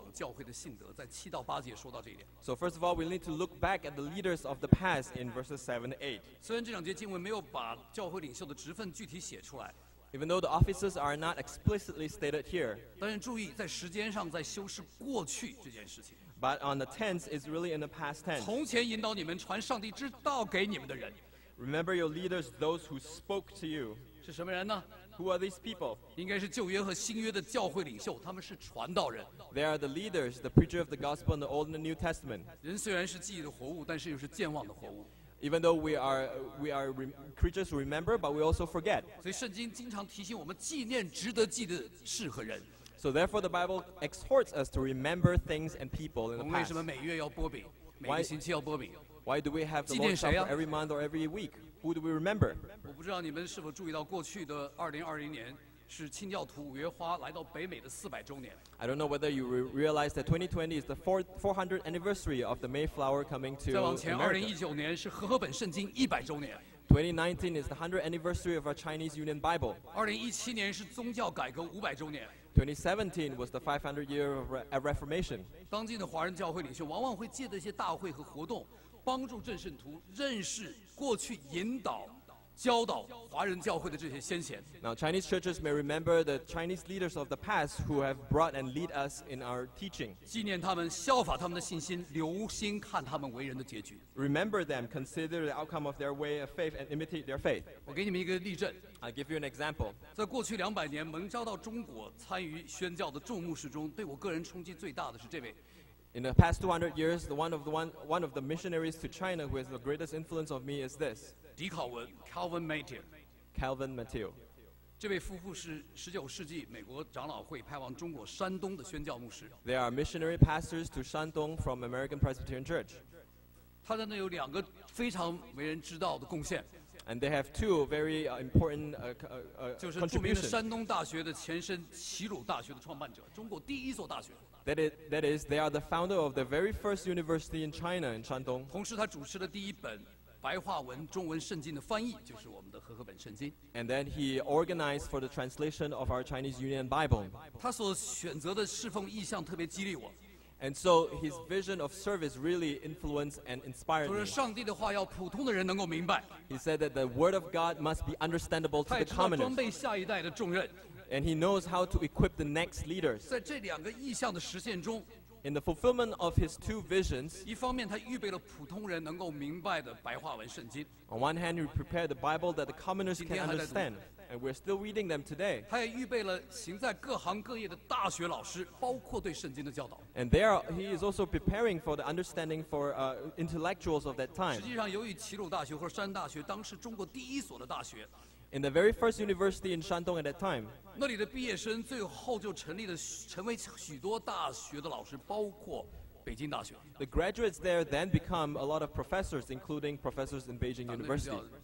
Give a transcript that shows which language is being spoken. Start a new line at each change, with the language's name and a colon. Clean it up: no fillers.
Chinese: 所以我们首先要在主里效法过往教会的信德，在七到八节说到这一点。
English: So first of all, we need to look back at the leaders of the past in verses 7 to 8.
Chinese: 虽然这两节经文没有把教会领袖的职分具体写出来。
English: Even though the offices are not explicitly stated here.
Chinese: 但是注意在时间上在修饰过去这件事情。
English: But on the tense, it's really in the past tense.
Chinese: 从前引导你们传上帝之道给你们的人。
English: Remember your leaders, those who spoke to you.
Chinese: 是什么人呢？
English: Who are these people?
Chinese: 应该是旧约和新约的教会领袖，他们是传道人。
English: They are the leaders, the preacher of the gospel in the Old and the New Testament.
Chinese: 人虽然是记忆的活物，但是又是健忘的活物。
English: Even though we are creatures who remember, but we also forget.
Chinese: 所以圣经经常提醒我们纪念值得记的事和人。
English: So therefore, the Bible exhorts us to remember things and people in the past.
Chinese: 我们为什么每月要剥饼？每个星期要剥饼？
English: Why do we have the Lord's Supper every month or every week? Who do we remember?
Chinese: 我不知道你们是否注意到过去的2020年是清教徒五月花来到北美的400周年。
English: I don't know whether you realize that 2020 is the 400th anniversary of the Mayflower coming to America.
Chinese: 再往前2019年是和合本圣经100周年。
English: 2019 is the 100th anniversary of our Chinese Union Bible.
Chinese: 2017年是宗教改革500周年。
English: 2017 was the 500th year of Reformation.
Chinese: 当今的华人教会领袖往往会借这些大会和活动帮助正圣徒认识过去引导教导华人教会的这些先贤。
English: Now Chinese churches may remember the Chinese leaders of the past who have brought and lead us in our teaching.
Chinese: 纪念他们，效法他们的信心，留心看他们为人的结局。
English: Remember them, consider the outcome of their way of faith and imitate their faith.
Chinese: 我给你们一个例证。
English: I give you an example.
Chinese: 在过去两百年，蒙召到中国参与宣教的众牧师中，对我个人冲击最大的是这位。
English: In the past 200 years, one of the missionaries to China who has the greatest influence on me is this. Calvin Mateo. Calvin Mateo.
Chinese: 这位夫妇是19世纪美国长老会派往中国山东的宣教牧师。
English: They are missionary pastors to Shandong from American Presbyterian Church.
Chinese: 他在那有两个非常为人知道的贡献。
English: And they have two very important contributions.
Chinese: 就是著名的山东大学的前身齐鲁大学的创办者，中国第一所大学。
English: That is, they are the founder of the very first university in China, in Shandong.
Chinese: 同时他主持了第一本白话文中文圣经的翻译，就是我们的和合本圣经。
English: And then he organized for the translation of our Chinese Union Bible.
Chinese: 他所选择的侍奉意向特别激励我。
English: And so his vision of service really influenced and inspired me.
Chinese: 就是上帝的话要普通的人能够明白。
English: He said that the word of God must be understandable to the commoners.
Chinese: 他也知道装备下一代的重任。
English: And he knows how to equip the next leaders.
Chinese: 在这两个意向的实现中，
English: in the fulfillment of his two visions,
Chinese: 一方面他预备了普通人能够明白的白话文圣经。
English: On one hand, he prepared the Bible that the commoners can understand, and we're still reading them today.
Chinese: 他也预备了行在各行各业的大学老师，包括对圣经的教导。
English: And there, he is also preparing for the understanding for intellectuals of that time.
Chinese: 实际上，由于齐鲁大学和山大学当时中国第一所的大学。
English: In the very first university in Shandong at that time,
Chinese: 那里的毕业生最后就成立了，成为许多大学的老师，包括北京大学。
English: The graduates there then become a lot of professors, including professors in Beijing University.